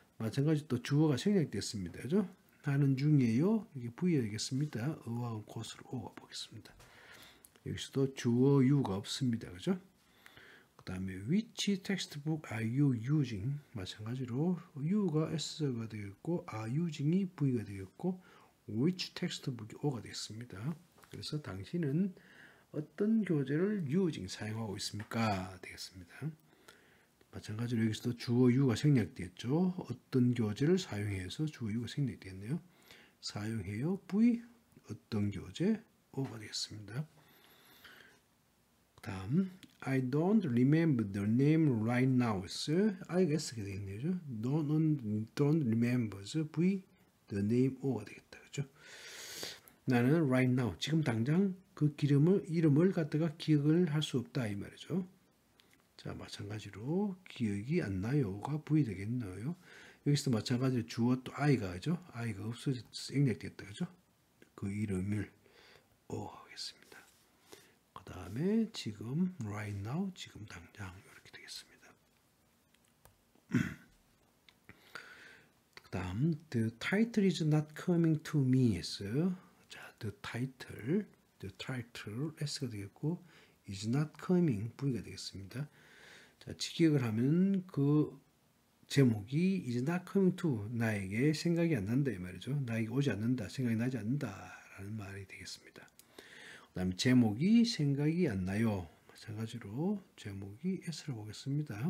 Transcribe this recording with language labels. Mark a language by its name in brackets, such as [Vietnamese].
[Korean] 마찬가지 또 주어가 생략됐습니다. 그죠? 하는 중이에요. 이게 V가 되겠습니다. 어학원 코스를 O가 보겠습니다. 여기서도 주어 U가 없습니다. 그죠? 그 다음에 [English] Which textbook are you using? [Korean] 마찬가지로 U가 S가 되겠고 [English] Are using [Korean] 이 V가 되겠고 [English] Which textbook [Korean] 이 O가 되겠습니다. 그래서 당신은 어떤 교재를 using 사용하고 있습니까? 되겠습니다. 마찬가지로 여기서도 주어 유가 생략됐죠. 어떤 교재를 사용해서 주어 유가 생략됐네요. 사용해요. V 어떤 교재 O가 되겠습니다. 다음 [English] I don't remember the name right now. [Korean] I guess가 되겠네요. Don't remember V the name O가 되겠다. 그죠? 나는 [English] right now [Korean] 지금 당장 그 이름을 갖다가 기억을 할 수 없다 이 말이죠. 자 마찬가지로 기억이 안 나요가 V 되겠네요. 여기서도 마찬가지로 주어 또 I가 하죠. I가 없어져서 생략됐다 그죠. 그 이름을 O 하겠습니다. 그 다음에 지금 [English] right now [Korean] 지금 당장 이렇게 되겠습니다. 그 다음 [English] the title is not coming to me. [Korean] 자 [English] the title [Korean] S가 되겠고 [English] is not coming [Korean] V가 되겠습니다. 자, 직역을 하면 그 제목이 [English] is not coming to [Korean] 나에게 생각이 안 난다 이 말이죠. 나에게 오지 않는다, 생각이 나지 않는다 라는 말이 되겠습니다. 그 다음에 제목이 생각이 안 나요. 마찬가지로 제목이 S로 보겠습니다.